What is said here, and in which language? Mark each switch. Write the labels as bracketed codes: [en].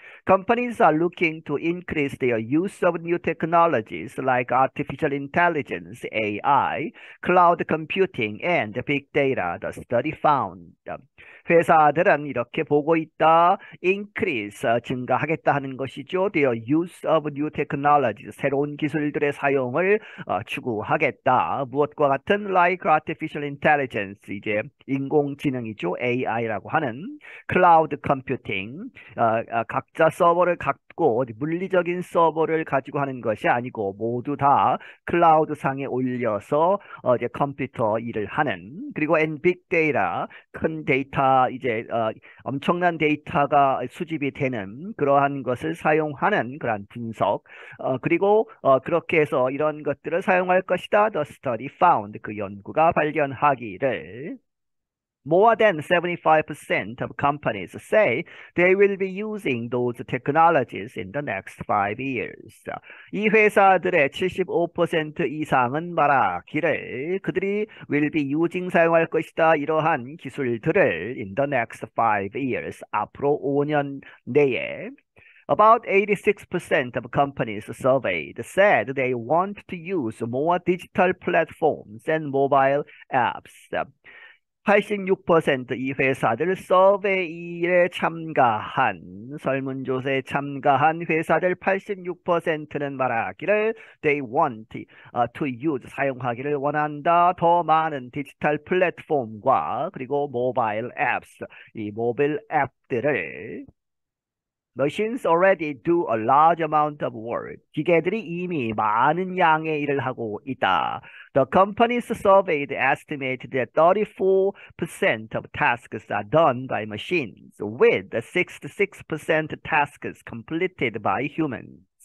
[en] Companies are looking to increase their use of new technologies like artificial intelligence, AI, cloud computing, and big data, the study found. [ko] 회사들은 이렇게 보고 있다. Increase, 증가하겠다 하는 것이죠. [en] Their use of new technologies, [ko] 새로운 기술들의 사용을 추구하겠다. 무엇과 같은 [en] like artificial intelligence, [ko] 이제 인공지능이죠. AI라고 하는 cloud computing, 각자 서버를 갖고 물리적인 서버를 가지고 하는 것이 아니고 모두 다 클라우드 상에 올려서 이제 컴퓨터 일을 하는 그리고 엔 빅데이터 큰 데이터 이제 엄청난 데이터가 수집이 되는 그러한 것을 사용하는 그러한 분석 그리고 그렇게 해서 이런 것들을 사용할 것이다. [en] The study found [ko] 그 연구가 발견하기를. [en] More than 75% of companies say they will be using those technologies in the next 5 years. [ko] 이 회사들의 75% 이상은 말하기를 그들이 [en] will be using [ko] 사용할 것이다. 이러한 기술들을 [en] in the next 5 years, [ko] 앞으로 5년 내에. [en] About 86% of companies surveyed said they want to use more digital platforms and mobile apps. [ko] 86%이 회사들 서베이에 참가한 설문조사에 참가한 회사들 86%는 말하기를 [en] they want to use [ko] 사용하기를 원한다. 더 많은 디지털 플랫폼과 그리고 모바일 앱스 이 모바일 앱들을 [en] Machines already do a large amount of work. [ko] 기계들이 이미 많은 양의 일을 하고 있다. [en] The companies surveyed estimated that 34% of tasks are done by machines, with 66% tasks completed by humans.